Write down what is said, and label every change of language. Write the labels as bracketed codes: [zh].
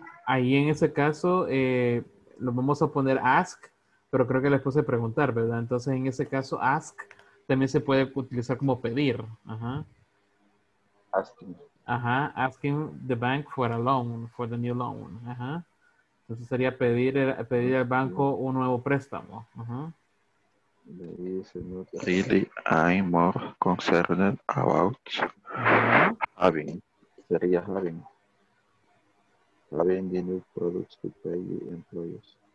[es] Ahí en ese caso, lo vamos a poner ask, pero creo que les puse preguntar, ¿verdad? Entonces, en ese caso, ask también se puede utilizar como pedir. Ajá. [en] Asking. Ajá, asking the bank for a loan, for the new loan. Ajá. [es] Entonces, sería pedir al banco un nuevo préstamo. Ajá. [en] Really, I'm more concerned about having. [es] Sería [en] having. Having the new products to pay employees.